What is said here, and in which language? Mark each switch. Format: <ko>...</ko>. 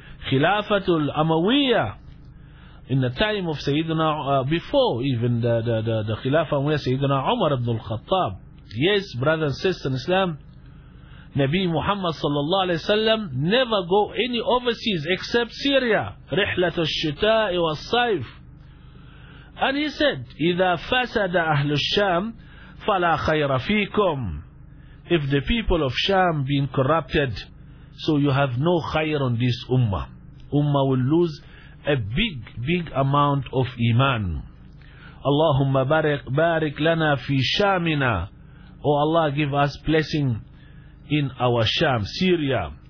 <en>Khilafatul Amawiyya, in the time of Sayyidina, before even the Khilafah, where Sayyidina Umar ibn al-Khattab. Yes, brother and sister in Islam, Nabi Muhammad sallallahu alayhi wa sallam never go any overseas except Syria.</en> <ar>رِحْلَةُ الشِّتَاءِ وَالصَّيْفِ.</ar> <en>And he said,</en> <ar>إِذَا فَسَدَ أَهْلُ الشَّامِ فَلَا خَيْرَ فِيكُمْ.</ar> <en>If the people of Sham been corrupted, so you have no khayr on this ummah. Ummah will lose a big, big amount of iman.</en> <ar>Allahumma barik lana fi shamina.</ar> <en>O Allah, give us blessing in our Sham, Syria.</en>